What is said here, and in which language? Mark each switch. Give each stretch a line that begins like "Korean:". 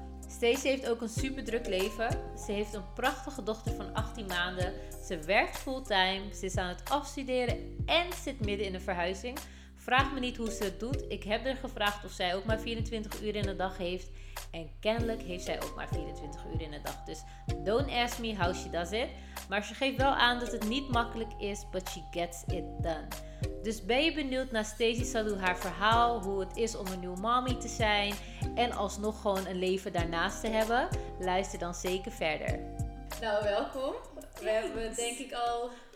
Dutch: Stacy heeft ook een super druk leven. Ze heeft een prachtige dochter van 18 maanden. Ze werkt fulltime, ze is aan het afstuderen en zit midden in een verhuizing. Vraag me niet hoe ze het doet. Ik heb haar gevraagd of zij ook maar 24 uur in de dag heeft. En kennelijk heeft zij ook maar 24 uur in de dag.
English: Dus don't ask me how she does it.
Dutch: Maar ze geeft wel aan dat het niet makkelijk is,
English: but she gets it done.
Dutch: Dus ben je benieuwd naar Stacy Sadhoe, haar verhaal, hoe het is om een nieuwe mommy te zijn en alsnog gewoon een leven daarnaast te hebben? Luister dan zeker verder. Nou, welkom. We hebben denk ik al...